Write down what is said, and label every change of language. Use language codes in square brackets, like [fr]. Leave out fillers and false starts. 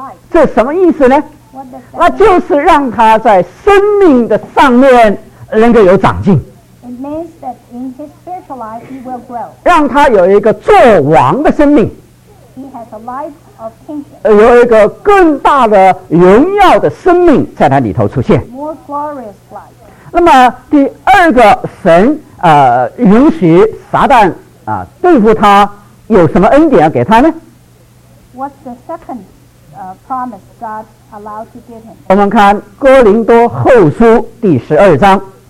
[zh] 这什么意思呢？那就是让他在生命的上面能够有长进。 [en] It means that in his spiritual life he will grow. [zh] 让他有一个作王的生命。 [en] He has a life of kingship. [zh] 有一个更大的荣耀的生命在他里头出现。 [en] More glorious life. [zh] 那么第二个，神允许撒旦对付他，有什么恩典要给他呢？ [en] What's the second promise God allowed to give him? [zh] 我们看哥林多后书第十二章。